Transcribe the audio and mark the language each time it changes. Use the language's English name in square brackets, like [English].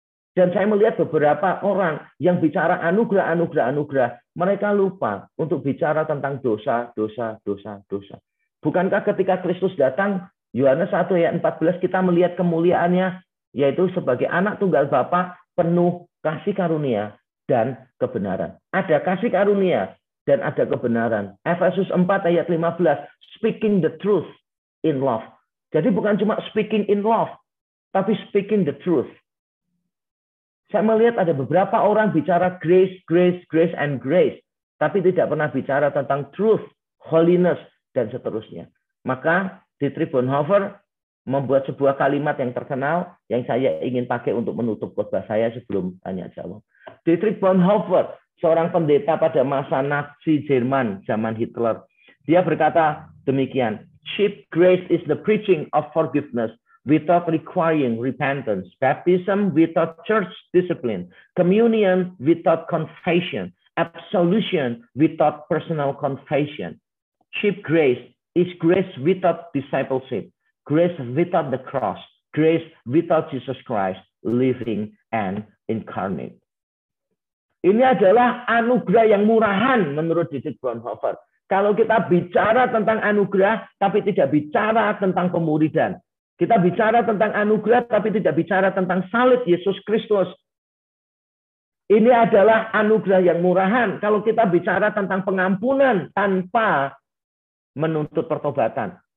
[Indonesian] Dan saya melihat beberapa orang yang bicara anugerah, anugerah, anugerah, mereka lupa untuk bicara tentang dosa, dosa, dosa, dosa. Bukankah ketika Kristus datang, Yohanes 1 ayat 14, kita melihat kemuliaannya, yaitu sebagai anak tunggal Bapa penuh kasih karunia dan kebenaran. Ada kasih karunia dan ada kebenaran. Efesus 4 ayat 15, speaking the truth in love. Jadi bukan cuma speaking in love, tapi speaking the truth. Saya melihat ada beberapa orang bicara grace, grace, grace, and grace. Tapi tidak pernah bicara tentang truth, holiness, dan seterusnya. Maka Dietrich Bonhoeffer membuat sebuah kalimat yang terkenal yang saya ingin pakai untuk menutup khotbah saya sebelum tanya jawab. Dietrich Bonhoeffer, seorang pendeta pada masa Nazi Jerman zaman Hitler. [English] Dia berkata demikian, cheap grace is the preaching of forgiveness without requiring repentance, baptism without church discipline, communion without confession, absolution without personal confession. cheap grace is grace without discipleship, grace without the cross, grace without Jesus Christ living and incarnate. [Indonesian] Ini adalah anugerah yang murahan menurut Dietrich Bonhoeffer. Kalau kita bicara tentang anugerah tapi tidak bicara tentang pemuridan. Kita bicara tentang anugerah tapi tidak bicara tentang salib Yesus Kristus. Ini adalah anugerah yang murahan. Kalau kita bicara tentang pengampunan tanpa menuntut pertobatan.